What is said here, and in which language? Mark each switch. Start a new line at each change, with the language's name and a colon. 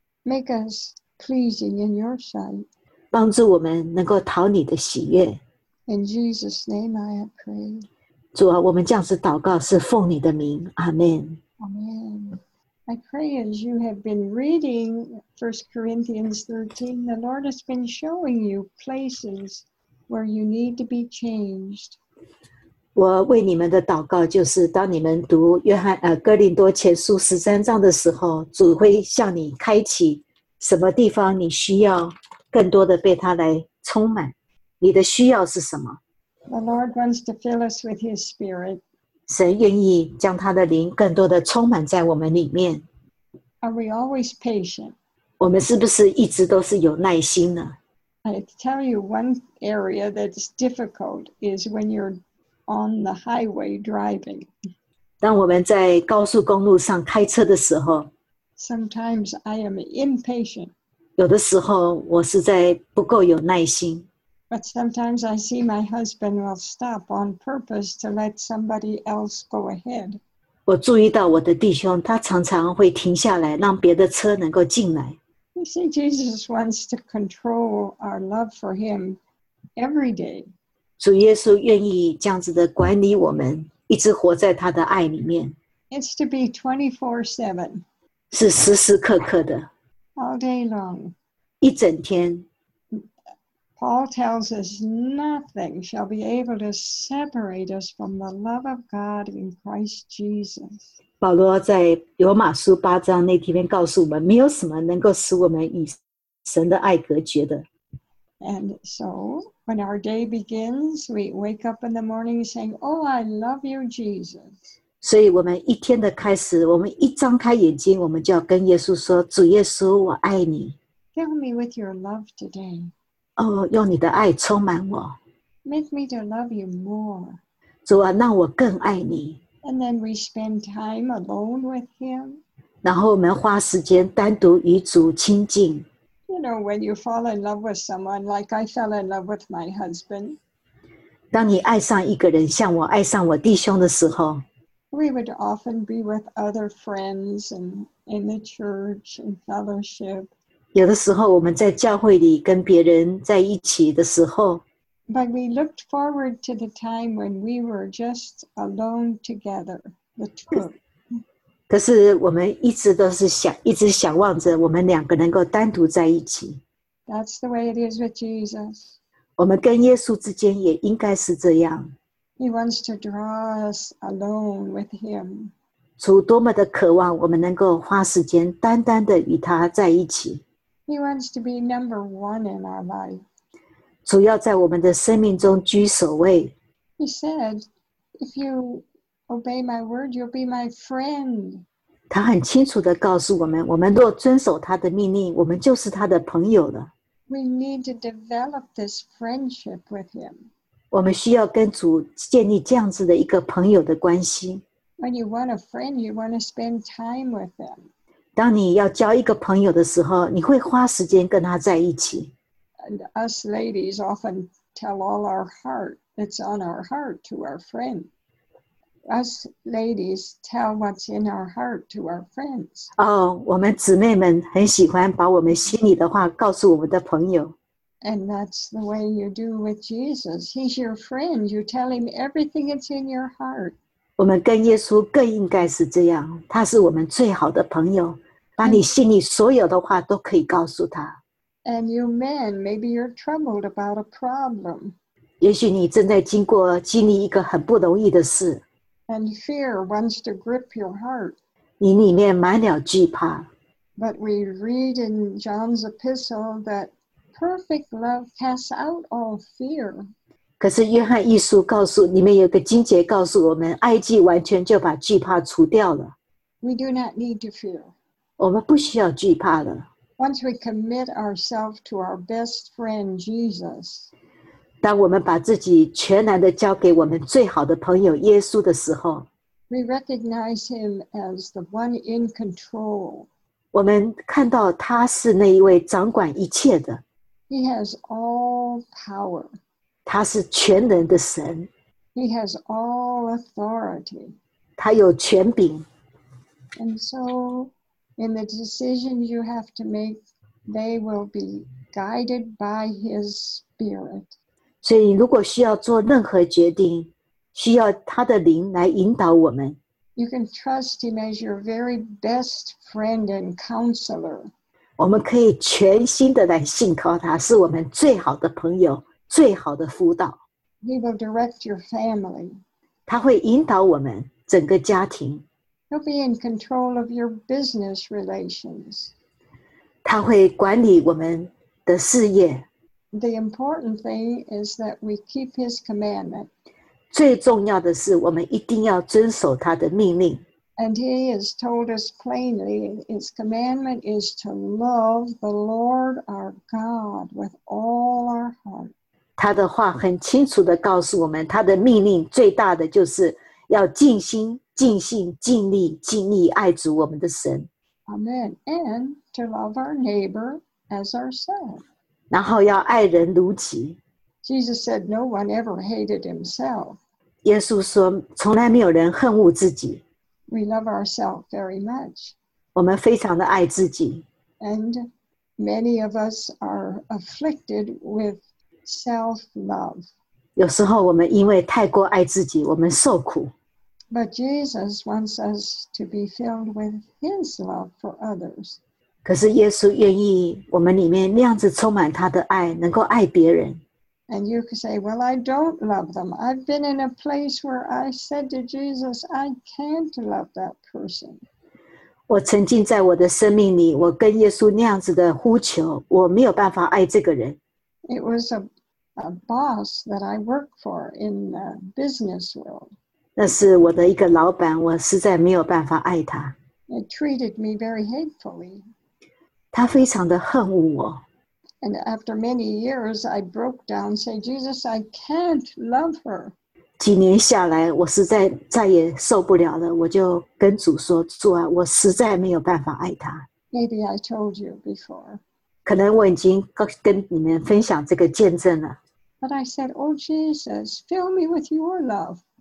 English: Make us pleasing in your sight.
Chinese: 帮助我们能够讨你的喜悦。
English: In Jesus' name I have prayed.
Chinese: 主啊，我们这样子祷告是奉你的名，阿门。
English: Amen. I pray as you have been reading 1 Corinthians 13, the Lord has been showing you places where you need to be changed.
Chinese: 我为你们的祷告就是，当你们读约翰哥林多前书十三章的时候，主会向你开启什么地方你需要更多的被他来充满，你的需要是什么？
English: The Lord wants to fill us with His Spirit.
Chinese: 神愿意将他的灵更多的充满在我们里面。
English: Are we always patient?
Chinese: 我们是不是一直都是有耐心呢？
English: I tell you one area that's difficult is when you're on the highway driving.
Chinese: 当我们在高速公路上开车的时候，
English: Sometimes I am impatient.
Chinese: 有的时候我实在不够有耐心。
English: But sometimes I see my husband will stop on purpose to let somebody else go ahead.
Chinese: 我注意到我的弟兄，他常常会停下来，让别的车能够进来。
English: You see, Jesus wants to control our love for Him every day.
Chinese: 主耶稣愿意这样子的管理我们，一直活在他的爱里面。
English: It's to be 24/7.
Chinese: 是时时刻刻的。
English: All day long.
Chinese: 一整天。
English: Paul tells us nothing shall be able to separate us from the love of God in Christ Jesus.
Chinese: 保罗在罗马书八章那地方告诉我们，没有什么能够使我们与神的爱隔绝的。
English: And so, when our day begins, we wake up in the morning saying, "Oh, I love you, Jesus."
Chinese: 所以我们一天的开始，我们一张开眼睛，我们就要跟耶稣说，主耶稣，我爱你。
English: Fill me with your love today.
Chinese: 哦，用你的爱充满我。
English: Make me to love you more.
Chinese: 主啊，让我更爱你。
English: And then we spend time alone with him.
Chinese: 然后我们花时间单独与主亲近。
English: You know, when you fall in love with someone, like I fell in love with my husband.
Chinese: 当你爱上一个人，像我爱上我弟兄的时候，
English: we would often be with other friends and in the church and fellowship.
Chinese: 有的时候我们在教会里跟别人在一起的时候，
English: but we looked forward to the time when we were just alone together, the two of us.
Chinese: 可是我们一直都是想，一直想望着我们两个能够单独在一起。
English: That's the way it is with Jesus.
Chinese: 我们跟耶稣之间也应该是这样。
English: He wants to draw us alone with him.
Chinese: 主多么的渴望我们能够花时间单单的与他在一起。
English: He wants to be number one in our life.
Chinese: 主要在我们的生命中居首位。
English: He said, if you... Obey my word, you'll be my friend.
Chinese: 他很清楚地告诉我们，我们若遵守他的命令，我们就是他的朋友了。
English: We need to develop this friendship with him.
Chinese: 我们需要跟主建立这样子的一个朋友的关系。
English: When you want a friend, you want to spend time with them.
Chinese: 当你要交一个朋友的时候，你会花时间跟他在一起。
English: And us ladies often tell all our heart that's on our heart to our friend. Us ladies tell what's in our heart to our friends.
Chinese: Oh, 我们姊妹们很喜欢把我们心里的话告诉我们的朋友。
English: And that's the way you do with Jesus. He's your friend. You tell him everything that's in your heart.
Chinese: 我们跟耶稣更应该是这样，他是我们最好的朋友，把你心里所有的话都可以告诉他。
English: And you men, maybe you're troubled about a problem.
Chinese: 也许你正在经历一个很不容易的事。
English: And fear wants to grip your heart.
Chinese: 你里面满了惧怕。
English: But we read in John's epistle that perfect love casts out all fear.
Chinese: 可是约翰一书告诉，里面有个经节告诉我们，爱既完全就把惧怕除掉了。
English: We do not need to fear.
Chinese: 我们不需要惧怕了。
English: Once we commit ourselves to our best friend, Jesus,
Chinese: 当我们把自己全然地交给我们最好的朋友耶稣的时候，
English: We recognize him as the one in control.
Chinese: 我们看到他是那一位掌管一切的。
English: He has all power.
Chinese: 他是全能的神。
English: He has all authority.
Chinese: 他有权柄。
English: And so, in the decision you have to make, they will be guided by his spirit.
Chinese: 所以如果需要做任何决定，需要他的灵来引导我们。
English: You can trust him as your very best friend and counselor.
Chinese: 我们可以全心的来信靠他，是我们最好的朋友，最好的辅导。
English: He will direct your family.
Chinese: 他会引导我们整个家庭。
English: He'll be in control of your business relations.
Chinese: 他会管理我们的事业。
English: The important thing is that we keep his commandment.
Chinese: 最重要的是我们一定要遵守他的命令。
English: And he has told us plainly, his commandment is to love the Lord our God with all our heart.
Chinese: 他的话很清楚地告诉我们，他的命令最大的就是要尽心、尽性、尽力、尽意爱主我们的神。
English: Amen. And to love our neighbor as ourselves.
Chinese: 然后要爱人如己。
English: Jesus said, no one ever hated himself.
Chinese: 耶稣说，从来没有人恨恶自己。
English: We love ourselves very much.
Chinese: 我们非常的爱自己。
English: And many of us are afflicted with self-love.
Chinese: 有时候我们因为太过爱自己，我们受苦。
English: But Jesus wants us to be filled with His love for others.
Chinese: 可是耶稣愿意我们里面那样子充满他的爱，能够爱别人。
English: And you could say, well, I don't love them. I've been in a place where I said to Jesus, I can't love that person.
Chinese: 我曾经在我的生命里，我跟耶稣那样子的呼求，我没有办法爱这个人。
English: It was a boss that I worked for in the business world.
Chinese: 那是我的一个老板，我实在没有办法爱他。
English: It treated me very hatefully.
Chinese: 他非常的恨恶我。
English: And after many years, I broke down and said, Jesus, I can't love her.
Chinese: 几年下来，我实在再也受不了了，我就跟主说，主啊，我实在没有办法爱她。
English: Maybe I told you before.
Chinese: 可能我已经跟你们分享这个见证了。
English: But I said, oh, Jesus, fill me with your love.